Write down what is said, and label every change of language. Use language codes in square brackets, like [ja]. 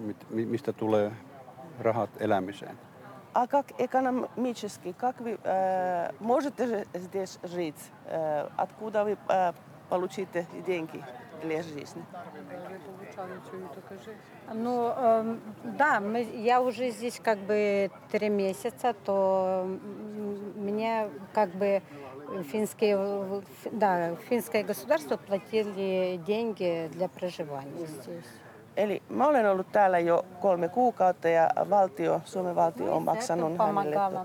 [fi] Mistä tulee rahat elämiseen? [ru] А как экономически? Как вы можете здесь жить? Откуда вы получите деньги для жизни? Ну, да, я уже здесь как бы 3 месяца, то мне как бы финское государство платили деньги для проживания здесь. [fi] Eli mä olen ollut täällä jo 3 kuukautta ja valtio, Suomen valtio on maksanut hänelle.